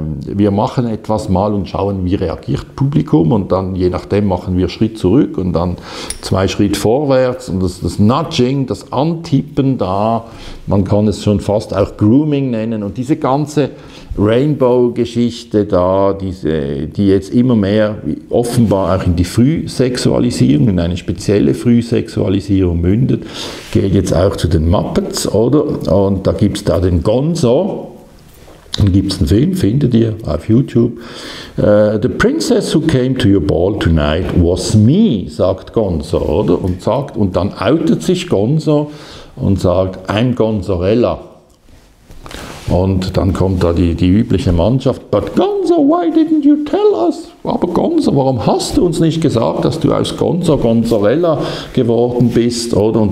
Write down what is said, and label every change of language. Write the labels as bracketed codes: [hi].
[de] Wir machen etwas mal und schauen, wie reagiert Publikum, und dann je nachdem machen wir Schritt zurück und dann zwei Schritt vorwärts, und das Nudging, das Antippen da, man kann es schon fast auch Grooming nennen, und diese ganze Rainbow-Geschichte da, die jetzt immer mehr offenbar auch in die Frühsexualisierung, in eine spezielle Frühsexualisierung mündet, geht jetzt auch zu den Muppets, oder? Und da gibt es da den Gonzo, dann gibt es einen Film, findet ihr auf YouTube. [en] The princess who came to your ball tonight was me, [de] sagt Gonzo, oder? Und dann outet sich Gonzo und sagt, [en] I'm Gonzorella. [de] Und dann kommt da die übliche Mannschaft, [en] but Gonzo, why didn't you tell us? [de] Aber Gonzo, warum hast du uns nicht gesagt, dass du aus Gonzo Gonzorella geworden bist? Oder?